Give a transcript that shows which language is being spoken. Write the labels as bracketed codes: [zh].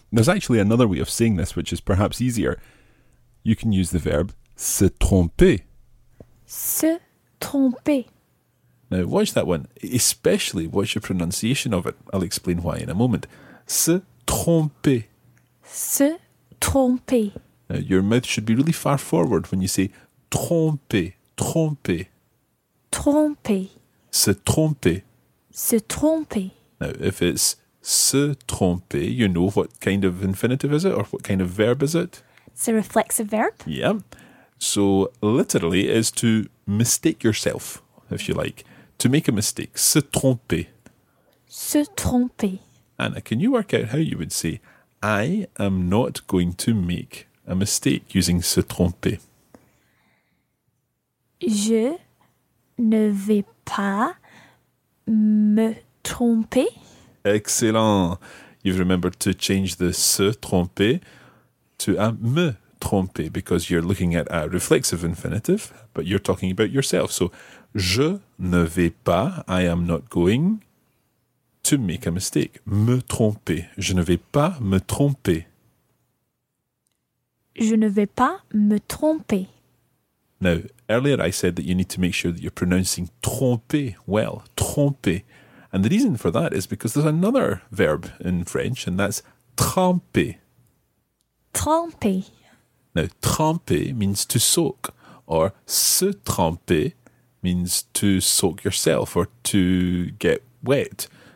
[en] There's actually another way of saying this, which is perhaps easier. You can use the verb se tromper. [fr] Se tromper. [en] Now, watch that one. Especially watch your pronunciation of it. I'll explain why in a moment. [fr] Se tromper. Se tromper. [en] Now, your mouth should be really far forward when you say tromper. [fr] Tromper. Tromper. Se tromper. Se tromper. [en] Now, if it's se tromper, you know what kind of infinitive is it or what kind of verb is it? It's a reflexive verb. Yeah. So, literally, is to mistake yourself, if you like. To make a mistake. Se tromper. Se tromper. Anna, can you work out how you would say, I am not going to make a mistake using se tromper? [fr] Je ne vais pas me tromper. [en] Excellent. You've remembered to change the se tromper to a me tromper because you're looking at a reflexive infinitive, but you're talking about yourself. So, [fr] je ne vais pas, [en] I am not going to make a mistake. [fr] Me tromper. Je ne vais pas me tromper. Je ne vais pas me tromper. [en] Now, earlier I said that you need to make sure that you're pronouncing tromper well, tromper. And the reason for that is because there's another verb in French, and that's tremper. [fr] Tremper. [en] Now, tremper means to soak, or se tremper means to soak yourself or to get wet.